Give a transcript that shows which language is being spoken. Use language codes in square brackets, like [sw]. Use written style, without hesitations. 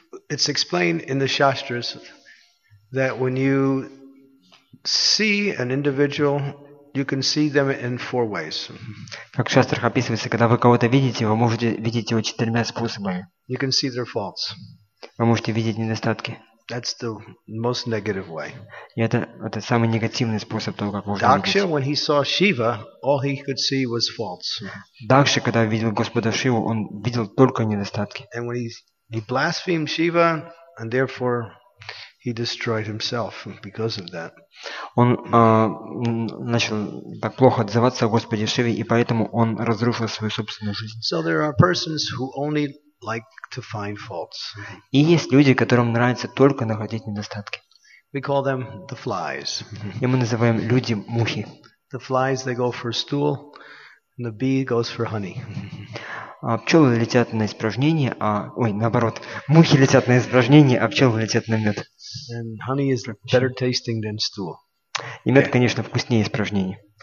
[en] It's explained in the Shastras that when you see an individual, you can see them in four ways. [ru] Как в Шастрах описывается, когда вы кого-то видите, вы можете видеть его четырьмя способами. [en] You can see their faults. [ru] Вы можете видеть недостатки. [en] That's the most negative way. [ru] Это самый негативный способ того, как можно видеть. [en] Дакша, when he saw Shiva, all he could see was faults. [ru] Дакша, когда видел Господа Шиву, он видел только недостатки. [en] And when he blasphemed Shiva, and therefore he destroyed himself because of that. [ru] Он начал так плохо отзываться о Господе Шиве, и поэтому он разрушил свою собственную жизнь. [en] So there are persons who only like to find faults. [ru] И есть люди, которым нравится только находить недостатки. [en] We call them the flies. [ru] И мы называем люди мухи. [en] The flies, they go for stool, and the bee goes for honey. [ru] Пчелы летят на испражнение, а ой, наоборот, мухи летят на испражнение, а пчелы летят на мед. [en] And honey is better tasting than stool. [ru] И мед, конечно, вкуснее испражнений.